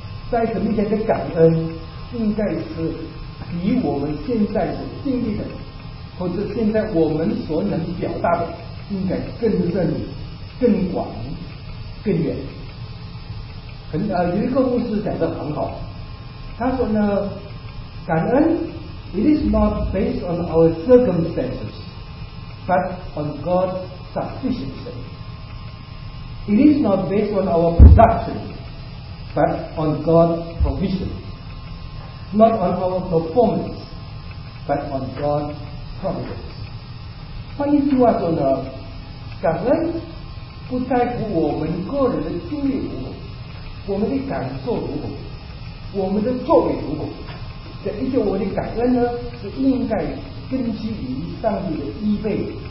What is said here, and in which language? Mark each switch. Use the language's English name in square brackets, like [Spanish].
[Chinese] 在神面前的感恩，应该是比我们现在所经历的，或者现在我们所能表达的，应该更深、更广、更远。有一个牧师讲得很好，他说呢，感恩 ， [English] it is not based on our circumstances。 But on God's sufficiency. It is not based on our production, but on God's provision. Not on our performance, but on God's providence. [Chinese] 换一句话说呢，感恩不在乎我们个人的经历如何，我们的感受如何，我们的作为如何。这一些我的感恩呢，是应该根基于上帝的预备。